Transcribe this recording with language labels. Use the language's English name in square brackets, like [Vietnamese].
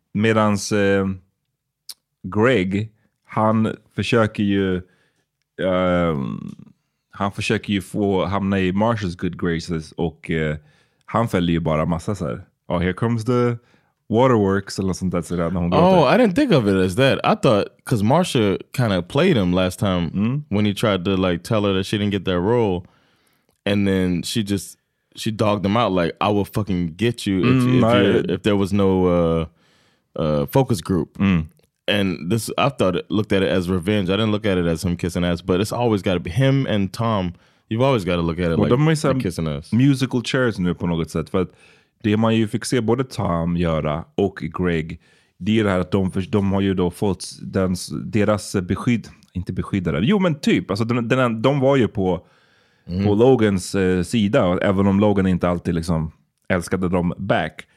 [Swedish] Medans Greg, han försöker ju få hamna i Marshall's [English] good graces, [Swedish] och han följer ju bara massa så här. [English] Oh, here comes the waterworks [Swedish] eller något sånt där. [English] Oh, there. I didn't think of it as that. I thought, because Marcia kind of played him last time when he tried to like tell her that she didn't get that role, and then she dogged him out like, I will fucking get you if there was no focus group. Mm. And this, I thought, looked at it as revenge. I didn't look at it as him kissing ass, but it's always got to be him and Tom. You've always got to look at it like kissing ass. Musical chairs [Swedish] nu på något sätt. För det man ju fick se både Tom göra och Greg, det är det här att de har ju då fått deras beskydd, inte beskyddare. Jo, men typ. Alltså, de var ju på Logans sida, även om Logan inte alltid liksom älskade dem back.